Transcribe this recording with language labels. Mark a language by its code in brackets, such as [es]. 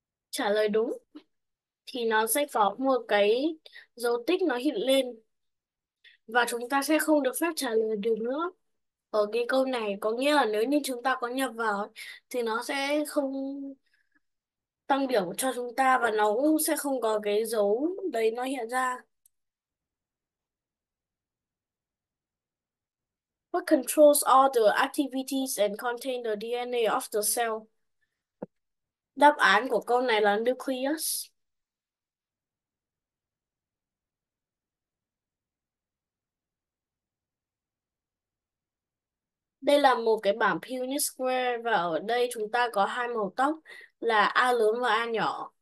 [vi] Trả lời đúng thì nó sẽ có một cái dấu tích nó hiện lên và chúng ta sẽ không được phép trả lời được nữa ở cái câu này. Có nghĩa là nếu như chúng ta có nhập vào thì nó sẽ không tăng điểm cho chúng ta và nó cũng sẽ không có cái dấu đấy nó hiện ra. [en] What controls all the activities and contain the DNA of the cell? [vi] Đáp án của câu này là nucleus. Đây là một cái bảng Punnett Square và ở đây chúng ta có hai màu tóc là A lớn và A nhỏ.